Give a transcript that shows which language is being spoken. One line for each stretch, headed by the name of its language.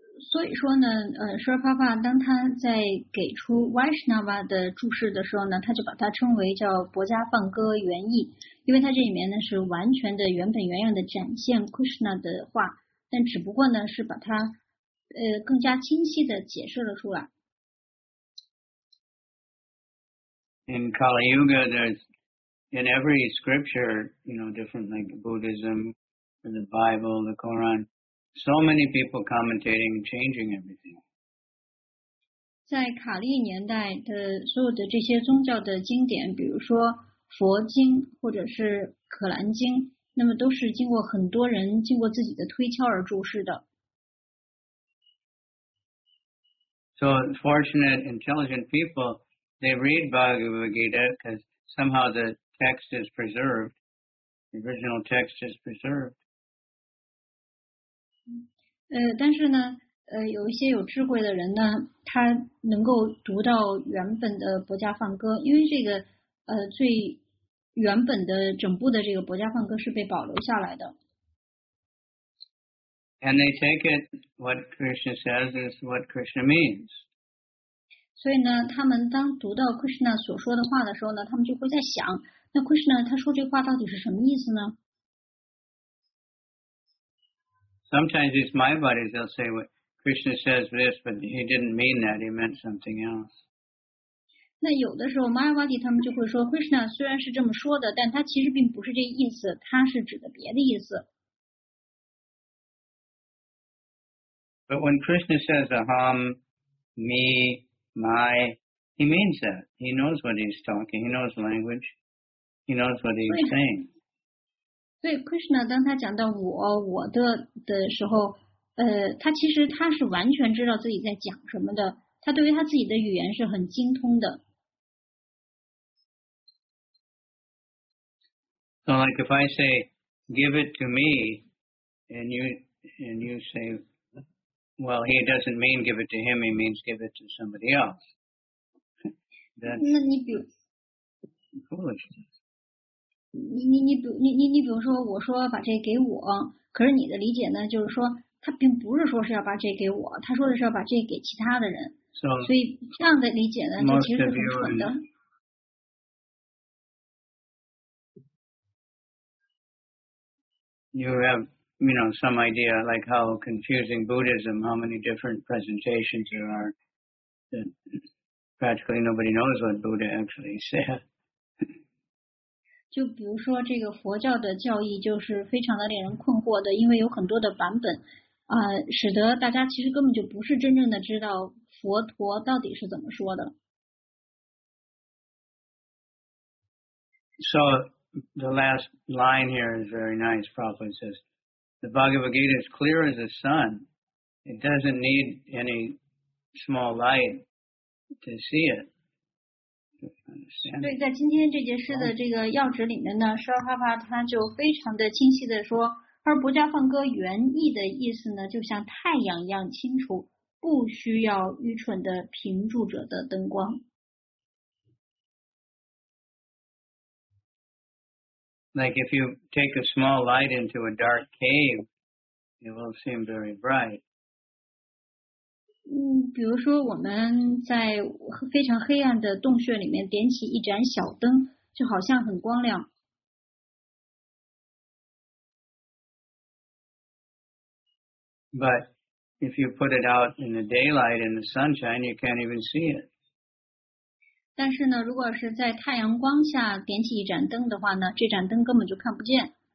Chinese: 所以说呢，Shri Prabhupada 当他在给出 Vaishnava 的注释的时候呢，他就把它称为叫薄伽梵歌原意，因为它这里面呢是完全的原本原样的展现 Krishna 的话，但只不过呢是把它更加清晰的解释了出来。
English: In Kali Yuga, there's in every scripture, you know, different like Buddhism, the Bible, the Quran. So many people commentating and changing everything.
Chinese: 在卡利年代的所有的这些宗教的经典，比如说佛经或者是可兰经，那么都是经过很多人经过自己的推敲而注释的。
English: So fortunate, intelligent people, they read Bhagavad Gita because somehow the text is preserved. The original text is preserved.
Chinese: 但是呢，有一些有智慧的人呢，他能够读到原本的薄伽梵歌，因为这个最原本的整部的这个薄伽梵歌是被保留下来的。
English: And they take it what Krishna says is what Krishna means.
Chinese: 所以呢，他们当读到 Krishna 所说的话的时候呢，他们就会在想，那 Krishna 他说这话到底是什么意思呢？
English: Sometimes these mind bodies, they'll say, well, Krishna says this, but he didn't mean that, he meant something else.
Chinese: 那有的时候 mind body 他们就会说 Krishna 虽然是这么说的，但他其实并不是这意思，他是指的别的意思。
English: But when Krishna says aham, me, my, he means that. He knows what he's talking, he knows language, he knows what he's saying.
Chinese: 所以 Krishna 当他讲到我的时候，他其实他是完全知道自己在讲什么的，他对于他自己的语言是很精通的。
English: So like if I say, give it to me, and you say, well, he doesn't mean give it to him, he means give it to somebody else. That's foolishness.
Chinese: 你比如说我说把这给我，可是你的理解呢就是说他并不是说是要把这给我，他说的是要把这给其他的人。
English: So,
Chinese: 所以这样的理解呢就其实是很蠢的。
English: You have, you know, some idea like how confusing Buddhism, how many different presentations there are, that practically nobody knows what Buddha actually said.
Chinese: 就比如说这个佛教的教义就是非常的令人困惑的，因为有很多的版本使得大家其实根本就不是真正的知道佛陀到底是怎么说的。
English: So the last line here is very nice. Prabhupada says the Bhagavad Gita is clear as the sun. It doesn't need any small light to see it.
Chinese: 对，在今天这节诗的这个要旨里面呢，舒尔哈巴他就非常的清晰的说，而薄伽梵歌原意的意思呢，就像太阳一样清楚，不需要愚蠢的评注者的灯光。
English: Like if you take a small light into a dark cave, it will seem very bright.
Chinese: 比如说我们在非常黑暗的洞穴里面点起一盏小灯，就好像很光亮。
English: But if you put it out in the daylight in the sunshine, you can't even see it.
Chinese: 但是呢，如果是在太阳光下点起一盏灯的话呢，这盏灯根本就看不见。